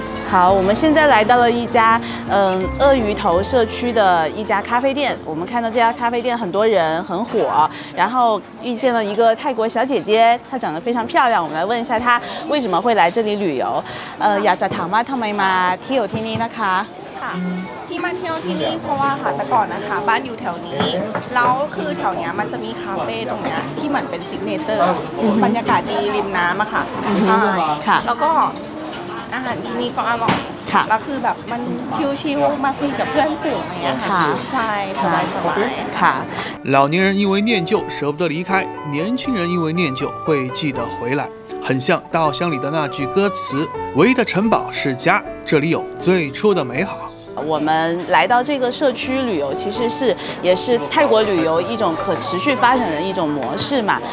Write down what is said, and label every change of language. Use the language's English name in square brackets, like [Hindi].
[Chinese] 好，我们现在来到了一家鳄鱼头社区的一家咖啡店。我们看到这家咖啡店很多人很火，然后遇见了一个泰国小姐姐，她长得非常漂亮。我们来问一下她为什么会来这里旅游。亚萨塔玛塔梅玛提有提尼那卡 [Thai] ค่ะที่มาเที่ยวที่นี่เพราะว่าค่ะแต่ก่อนนะคะบ้านอยู่แถวนี้แล้วคือแถวนี้มันจะมีคาเฟ่ตรงนี้ที่เหมือนเป็นซิกเนเจอร์บรรยากาศดีริมน้ำอะค่ะใช่ค่ะ แล้วก็อาหารที่นี่ก็อร่อย ค่ะ แล้วคือแบบมันชิลๆมาคุยกับเพื่อนฝูงอะไรเงี้ยค่ะใช่สบายสบาย ค่ะ [Chinese] 老年人因为念旧舍不得离开，年轻人因为念旧会记得回来。很像《稻香》里的那句歌词：“唯一的城堡是家，这里有最初的美好。” 我们来到这个社区旅游，其实是也是泰国旅游一种可持续发展的一种模式嘛。